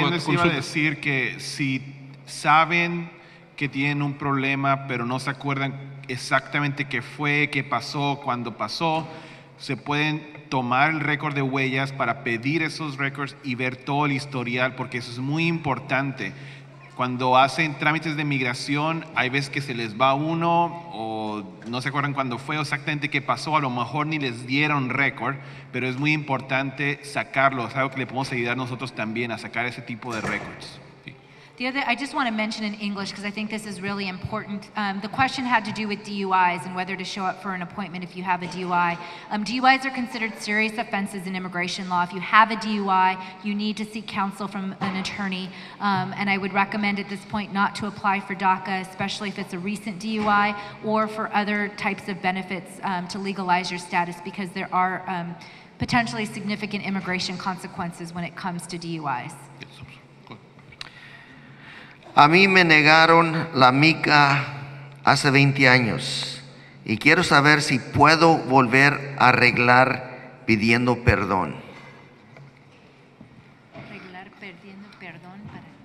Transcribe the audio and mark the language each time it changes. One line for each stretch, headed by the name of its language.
Spanish: Iba a decir que si saben que tienen un problema, pero no se acuerdan exactamente qué fue, qué pasó, cuándo pasó, se pueden tomar el récord de huellas para pedir esos récords y ver todo el historial, porque eso es muy importante. Cuando hacen trámites de migración, hay veces que se les va uno o no se acuerdan cuándo fue o exactamente qué pasó, a lo mejor ni les dieron récord, pero es muy importante sacarlo. Es algo que le podemos ayudar nosotros también a sacar ese tipo de récords.
English: I just want to mention in English because I think this is really important. The question had to do with DUIs and whether to show up for an appointment if you have a DUI. DUIs are considered serious offenses in immigration law. If you have a DUI, you need to seek counsel from an attorney. And I would recommend at this point not to apply for DACA, especially if it's a recent DUI, or for other types of benefits to legalize your status, because there are potentially significant immigration consequences when it comes to DUIs.
Spanish: A mí me negaron la mica hace 20 años Y quiero saber si puedo volver a arreglar pidiendo perdón. Arreglar pidiendo perdón para